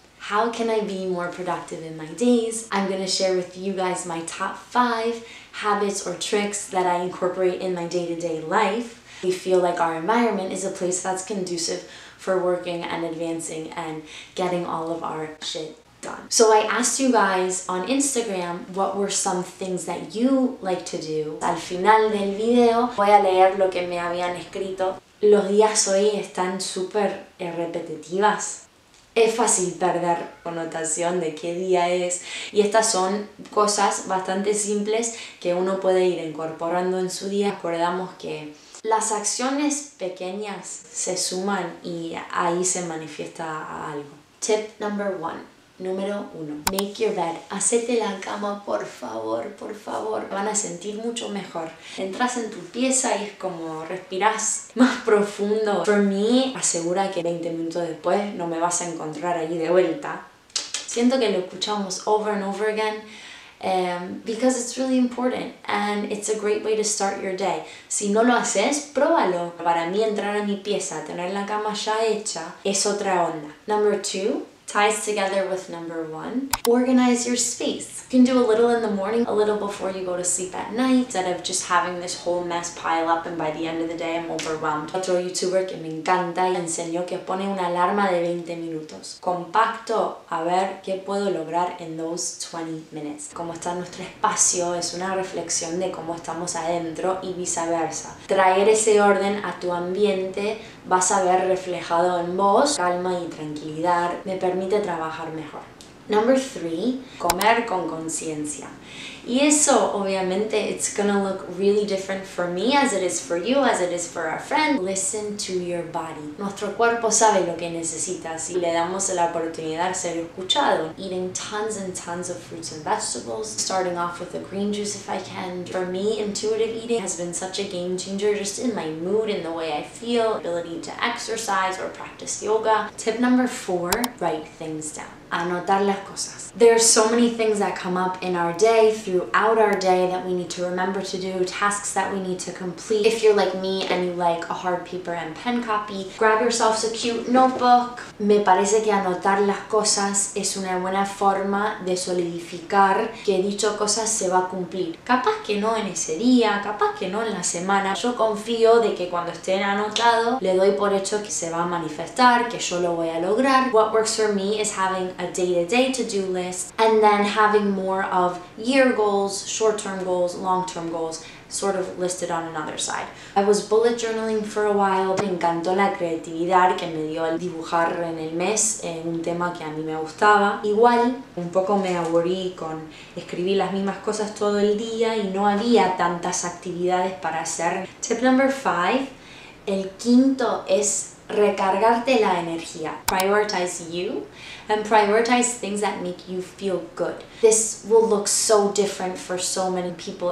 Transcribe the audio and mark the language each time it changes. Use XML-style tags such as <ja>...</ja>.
<en>How can I be more productive in my days? I'm going to share with you guys my top five habits or tricks that I incorporate in my day-to-day life. We feel like our environment is a place that's conducive for working and advancing and getting all of our shit done. So I asked you guys on Instagram what were some things that you like to do.</en> <es>Al final del video voy a leer lo que me habían escrito. Los días hoy están súper repetitivas. Es fácil perder connotación de qué día es. Y estas son cosas bastante simples que uno puede ir incorporando en su día. Recordamos que las acciones pequeñas se suman y ahí se manifiesta algo.</es> <en>Tip number one.</en> <es>Número uno,</es> <en>make your bed.</en> <es>Hacete la cama, por favor, por favor. Van a sentir mucho mejor. Entras en tu pieza y es como respiras más profundo.</es> <en>For me,</en> <es>asegura que 20 minutos después no me vas a encontrar allí de vuelta. Siento que lo escuchamos</es> <en>over and over again. Because it's really important and it's a great way to start your day.</en> <es>Si no lo haces, pruébalo. Para mí, entrar a mi pieza, tener la cama ya hecha, es otra onda.</es> <en>Number two. Ties together with number one. Organize your space. You can do a little in the morning, a little before you go to sleep at night, instead of just having this whole mess pile up and by the end of the day I'm overwhelmed.</en> <es>Otro youtuber que me encanta y enseñó que pone una alarma de 20 minutos. Compacto, a ver qué puedo lograr en</es> <en>those 20 minutes.</en> <es>Cómo está nuestro espacio es una reflexión de cómo estamos adentro y viceversa. Traer ese orden a tu ambiente vas a ver reflejado en vos. Calma y tranquilidad. Permite trabajar mejor.</es> <en>Number three,</en> <es>comer con conciencia. Y eso, obviamente,</es> <en>it's gonna look really different for me as it is for you, as it is for our friend. Listen to your body.</en> <es>Nuestro cuerpo sabe lo que necesita si le damos la oportunidad de ser escuchado.</es> <en>Eating tons and tons of fruits and vegetables. Starting off with a green juice if I can. For me, intuitive eating has been such a game changer just in my mood, in the way I feel, ability to exercise or practice yoga. Tip number four, write things down.</en> <es>Anotar las cosas.</es> <en>There are so many things that come up in our day, throughout our day, that we need to remember to do, tasks that we need to complete. If you're like me and you like a hard paper and pen copy, grab yourself a cute notebook.</en> <es>Me parece que anotar las cosas es una buena forma de solidificar que dicho cosas se va a cumplir. Capaz que no en ese día, capaz que no en la semana. Yo confío de que cuando esté anotado, le doy por hecho que se va a manifestar, que yo lo voy a lograr.</es> <en>What works for me is having a day-to-day to-do list and then having more of year goals, short-term goals, long-term goals sort of listed on another side. I was bullet journaling for a while.</en> <es>Me encantó la creatividad que me dio el dibujar en el mes en un tema que a mí me gustaba. Igual, un poco me aburrí con escribir las mismas cosas todo el día y no había tantas actividades para hacer.</es> <en>Tip number five,</en> <es>el quinto es recargarte la energía.</es> <en>Prioritize you and prioritize things that make you feel good. This will look so different for so many people.</en>